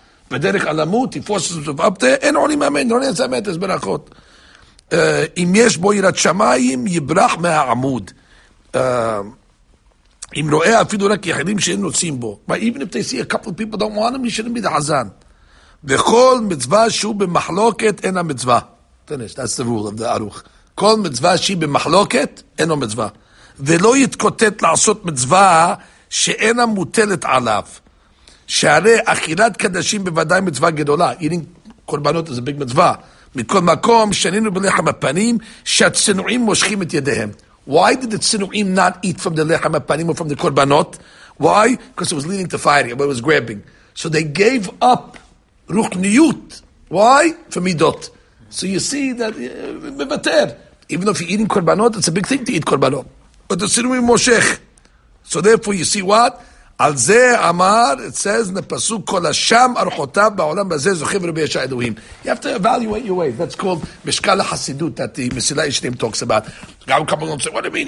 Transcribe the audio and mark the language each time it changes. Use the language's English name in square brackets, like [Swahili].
[Hebrew] בדרך אלמות, [English] he forces himself up there, [Hebrew] אין עולים מאמן, לא נעשה מאמן, אז ברכות. אם יש בו יראת שמיים, יברח מהעמוד. אם רואה אפילו רק יחידים שאין נוצים בו. [English] But even if they see a couple of people don't want him, he shouldn't be the Hazan. [Hebrew] וכל מצווה שהוא במחלוקת, אין המצווה. [English] Finish, that's the rule of the ארוך. [Hebrew] כל מצווה שהיא במחלוקת, אין המצווה. ולא יתקוטט לעשות מצווה שאינה מוטלת עליו. שהרי אכילת קדשים בוודאי מצווה גדולה. [English] Eating קורבנות is a big מצווה. [Hebrew] מכל מקום, שנינו בלחם הפנים, שהצנועים מושכים את ידיהם. [English] Why did the צנועים not eat from the לחם הפנים or from the קורבנות? Why? Because it was leading to firing, but it was grabbing. So they gave up רוחניות. Why? For מידות. So you see that, מבטר. Even though if you're eating קורבנות, it's a big thing to eat קורבנות. But the צנועים מושך. So therefore you see what? [Hebrew] על זה אמר, [English] it says, [Hebrew] נפסוק כל השם ארוחותיו בעולם הזה זוכים רבי ישע אלוהים. [English] You have to evaluate your way. That's called משקל החסידות that the מסילה ישנים talks about. [Hebrew] גם כמו לא נצא, [English] what do you mean?